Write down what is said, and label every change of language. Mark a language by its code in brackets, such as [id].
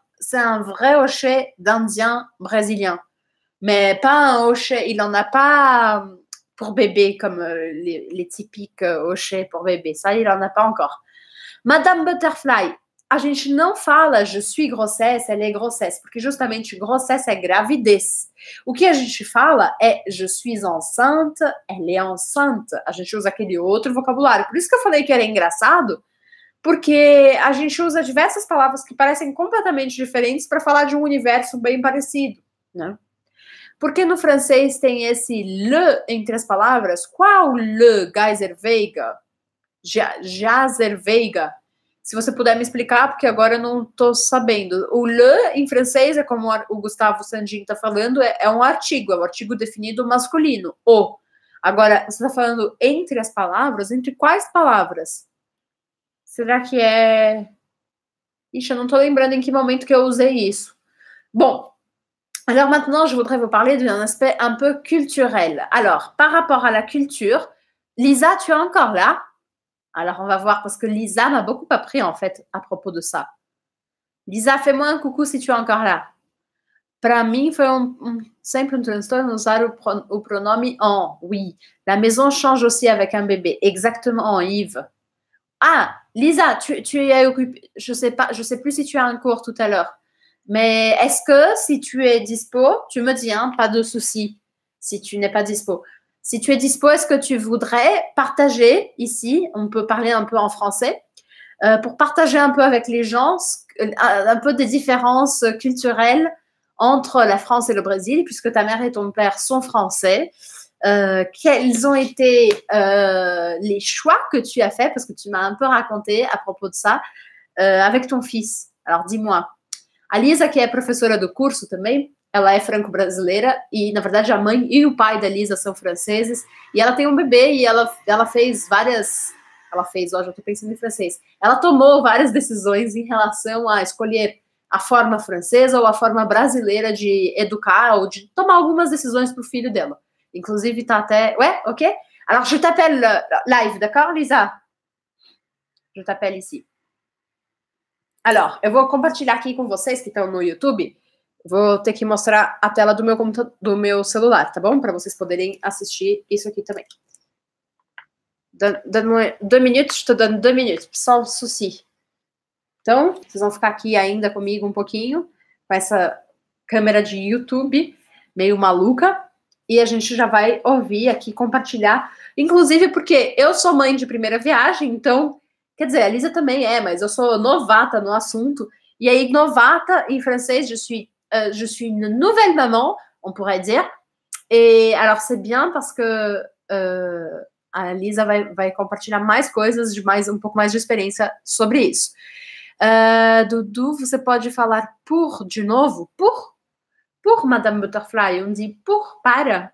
[fr] C'est un vrai oché d'Indien brésilien. Mais pas un oché, il en a pas pour bébé, comme les typiques oché pour bébé. Ça, il en a pas encore. [pt] Madame Butterfly, a gente não fala [fr] je suis grossesse, elle est grossesse, [pt] porque justamente grossesse é gravidez. O que a gente fala é [fr] je suis enceinte, elle est enceinte. [pt] A gente usa aquele outro vocabulário. Por isso que eu falei que era engraçado, porque a gente usa diversas palavras que parecem completamente diferentes para falar de um universo bem parecido, né? Porque no francês tem esse le entre as palavras. Qual le, Geiser Veiga? Geiser Veiga, se você puder me explicar, porque agora eu não tô sabendo. O le em francês é como o Gustavo Sandin tá falando, é um artigo, é um artigo definido masculino. O. Agora, você tá falando entre as palavras? Entre quais palavras? Será que é... Ixi, eu não tô lembrando em que momento que eu usei isso. [fr] Bom, alors maintenant je voudrais vous parler d'un aspect un peu culturel. Alors, par rapport à la culture, Lisa, tu es encore là? Alors, on va voir, parce que Lisa m'a beaucoup appris, en fait, à propos de ça. Lisa, fais-moi un coucou si tu es encore là. [pt] Para mim, foi sempre transtorno usar o pronome en. [fr] Oui, la maison change aussi avec un bébé. Exactement, Yves. Ah, Lisa, tu es occupée. Je sais plus si tu as un cours tout à l'heure. Mais est-ce que, si tu es dispo, tu me dis, hein, pas de souci si tu n'es pas dispo. Si tu es dispo, est-ce que tu voudrais partager ici, on peut parler un peu en français, pour partager un peu avec les gens, un peu des différences culturelles entre la France et le Brésil, puisque ta mère et ton père sont français. Quels ont été les choix que tu as fait, parce que tu m'as un peu raconté à propos de ça, avec ton fils. Alors, dis-moi. [pt] A Lisa, [fr] qui est professeure de cours [pt] também, ela é franco-brasileira e, na verdade, a mãe e o pai da Lisa são franceses. E ela tem um bebê e ela fez várias... Ela fez, ó, já tô pensando em francês. Ela tomou várias decisões em relação a escolher a forma francesa ou a forma brasileira de educar ou de tomar algumas decisões pro filho dela. Inclusive, tá até... Ué, o quê? [fr] Alors, je t'appelle live, d'accord, Lisa? Je t'appelle ici. [pt] Alors, eu vou compartilhar aqui com vocês que estão no YouTube... Vou ter que mostrar a tela do meu computador, do meu celular, tá bom? Para vocês poderem assistir isso aqui também. [fr] Donne-moi deux minutes, je te donne deux minutes, sans souci. [pt] Então, vocês vão ficar aqui ainda comigo um pouquinho, com essa câmera de YouTube meio maluca, e a gente já vai ouvir aqui, compartilhar, inclusive porque eu sou mãe de primeira viagem, então, quer dizer, a Lisa também é, mas eu sou novata no assunto, e aí novata em francês, [fr] je suis... je suis une nouvelle maman, on pourrait dire. Et alors, c'est bien parce que [pt] a Lisa vai compartilhar mais coisas, um pouco mais de experiência sobre isso. Dudu, você pode falar por de novo? Por Madame Butterfly, [fr] on dit pour, [pt] para.